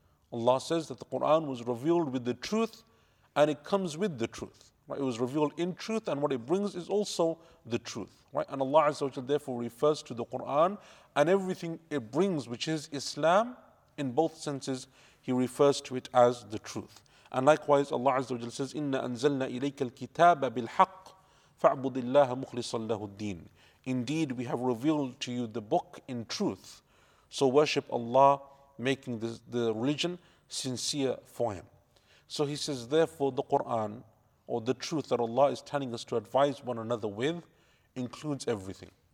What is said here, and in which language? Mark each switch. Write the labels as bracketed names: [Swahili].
[English] Allah says that the Quran was revealed with the truth and it comes with the truth. Right, it was revealed in truth, and what it brings is also the truth. Right? And Allah Azza wa Jalla therefore refers to the Quran and everything it brings, which is Islam, in both senses, he refers to it as the truth. And likewise, Allah Azza wa Jalla says, [Arabic] إِنَّا أَنزَلْنَا إِلَيْكَ الْكِتَابَ بِالْحَقِّ فَعْبُدِ اللَّهَ مُخْلِصًا لَهُ الدِّينِ. [English] Indeed, we have revealed to you the book in truth. So worship Allah, making the religion sincere for him. So he says, therefore, the Quran, or the truth that Allah is telling us to advise one another with, includes everything.